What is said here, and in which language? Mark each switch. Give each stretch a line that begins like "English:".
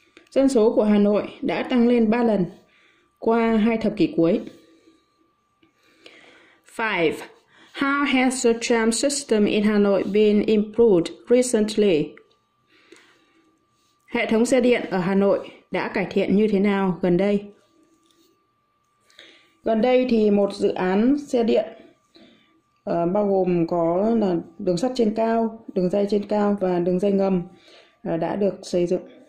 Vietnamese: Dân số của Hà Nội đã tăng lên 3 lần qua hai thập kỷ cuối. 5.
English: How has the tram system in Hanoi been improved recently?
Vietnamese: Hệ thống xe điện ở Hà Nội đã cải thiện như thế nào gần đây? Gần đây thì một dự án xe điện bao gồm có là đường sắt trên cao, đường ray trên cao và đường ray ngầm đã được xây dựng.